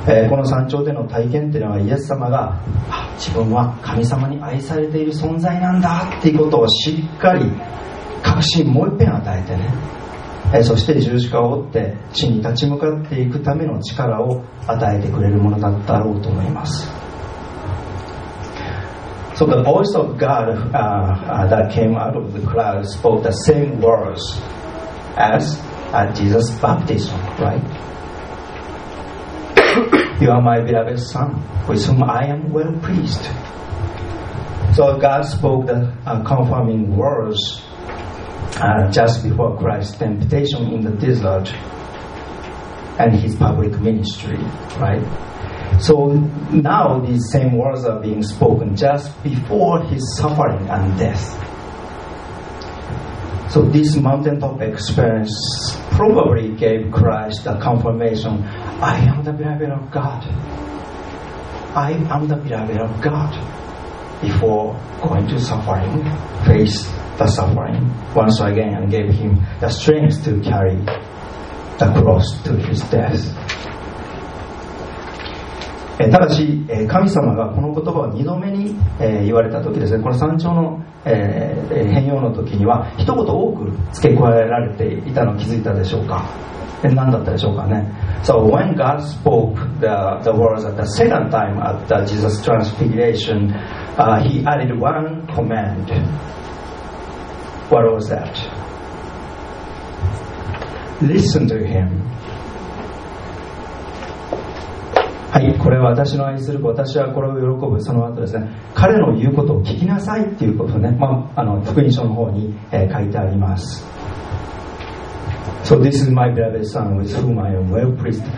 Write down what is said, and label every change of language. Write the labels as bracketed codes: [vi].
[ja] この山頂での体験というのはイエス様が自分は神様に愛されている存在なんだということをしっかり確信もう一遍与えてね、そして十字架を追って死に立ち向かっていくための力を与えてくれるものだったろうと思います。 [en] So the voice of God that came out of the cloud spoke the same words as Jesus' baptism, right? You are my beloved son with whom I am well pleased. So God spoke the confirming words just before Christ's temptation in the desert and his public ministry, right? So now these same words are being spoken just before his suffering and death. So this mountaintop experience probably gave Christ the confirmation, I am the beloved of God. I am the beloved of God. Before going to suffering, face the suffering once again and gave him the strength to carry the cross to his death. [ja] ただし神様がこの言葉を2度目に言われた時ですね、この山頂の変容の時には一言多く付け加えられていたのを気づいたでしょうか。何だったでしょうかね。 [en] So when God spoke the words at the second time at the Jesus transfiguration, he added one command. What was that? Listen to him. [ja] はい、これは私の愛する子、私はこれを喜ぶ。その後ですね、彼の言うことを聞きなさいっていうことね、まあ、福音書の方に、書いてあります。 [en] So this is my beloved son with whom I am well pleased.